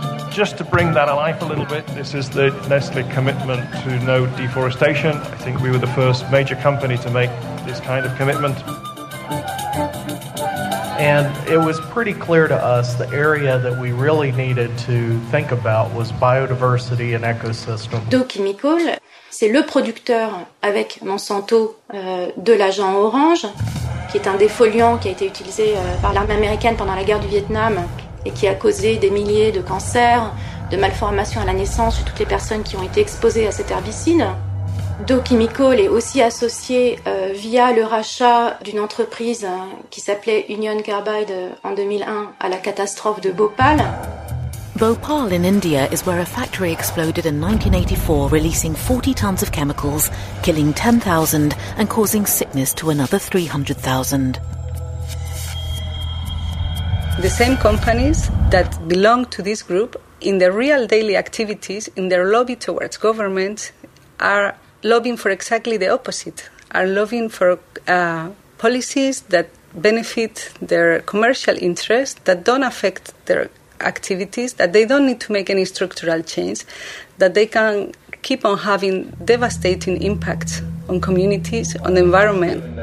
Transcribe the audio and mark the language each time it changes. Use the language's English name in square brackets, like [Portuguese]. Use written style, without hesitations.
[English] Just to bring that alive a little bit, this is the Nestlé commitment to no deforestation. I think we were the first major company to make this kind of commitment. And it was pretty clear to us the area that we really needed to think about was biodiversity and ecosystem. [French] Dow Chemical, c'est le producteur avec Monsanto de l'agent orange, qui est un défoliant qui a été utilisé par l'armée américaine pendant la guerre du Vietnam et qui a causé des milliers de cancers, de malformations à la naissance chez toutes les personnes qui ont été exposées à cet herbicide. Dow Chemical est aussi associé via le rachat d'une entreprise qui s'appelait Union Carbide en 2001 à la catastrophe de Bhopal. [English] Bhopal in India is where a factory exploded in 1984, releasing 40 tons of chemicals, killing 10,000 and causing sickness to another 300,000. The same companies that belong to this group in their real daily activities, in their lobby towards government, are lobbying for exactly the opposite, are lobbying for policies that benefit their commercial interests, that don't affect their activities, that they don't need to make any structural change, that they can keep on having devastating impacts on communities, on the environment.